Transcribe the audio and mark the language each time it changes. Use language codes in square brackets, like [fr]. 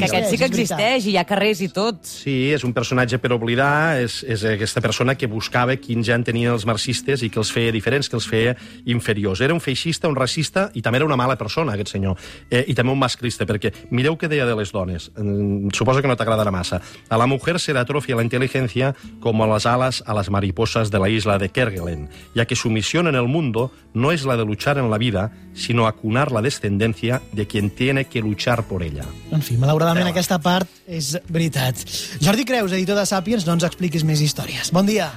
[ca] Perquè aquest sí que existeix, i hi ha carrers i tot. Sí, és un personatge per oblidar, és aquesta persona que buscava quin gen tenien els marxistes i que els feia diferents, que els feia inferiors. Era un feixista, un racista, i també era una mala persona, aquest senyor. I també un masclista, perquè mireu què deia de les dones. Suposo que no t'agradarà massa. [es] A la mujer se le atrofia la inteligencia como las alas a las mariposas de la isla de Kerguelen, ya que su misión en el mundo no es la de luchar en la vida, sino acunar la descendencia de quien tiene que luchar por ella. [ca] En fi, malauradament aquesta part és veritat. Jordi Creus, editor de Sapiens, no ens expliquis més històries. Bon dia.